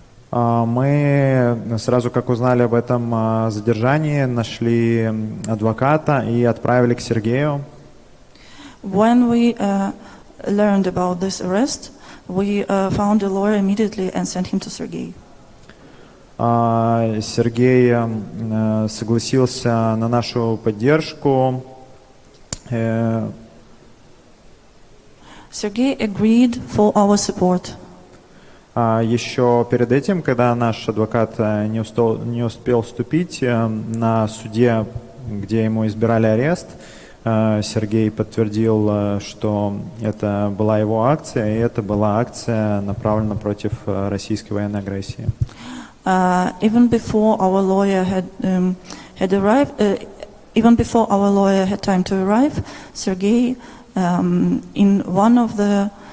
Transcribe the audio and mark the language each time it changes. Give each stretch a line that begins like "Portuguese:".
Russian: Мы сразу, как узнали об этом задержании, нашли адвоката и отправили к Сергею.
English: When we learned about this arrest, we found a lawyer immediately and sent him to Sergei.
Russian: Сергей согласился на нашу поддержку.
English: Сергей agreed for our support.
Russian: Еще перед этим, когда наш адвокат не успел вступить на суде, где ему избирали арест, Сергей подтвердил, что это была его акция, и это была акция, направлена против российской военной агрессии.
English: Even before our lawyer had had time to arrive, Sergei in one of the